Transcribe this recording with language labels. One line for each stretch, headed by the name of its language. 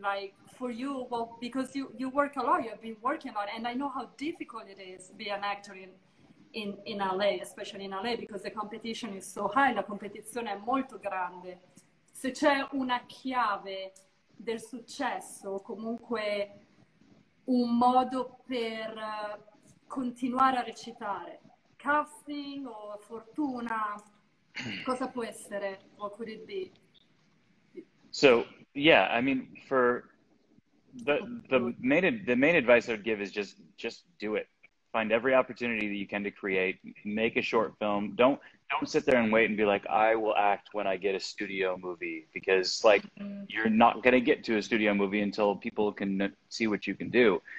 English: Like, for you, well, because you work a lot. You've been working a lot. And I know how difficult it is to be an actor in LA, especially in LA, because the competition is so high.
Italian: La competizione è molto grande. Se c'è una chiave del successo, comunque un modo per continuare a recitare, casting o fortuna, cosa può essere?
English: What could it be? So yeah, I mean, for the main advice I would give is just do it. Find every opportunity that you can to create. Make a short film. Don't sit there and wait and be like, I will act when I get a studio movie, because like you're not going to get to a studio movie until people can see what you can do.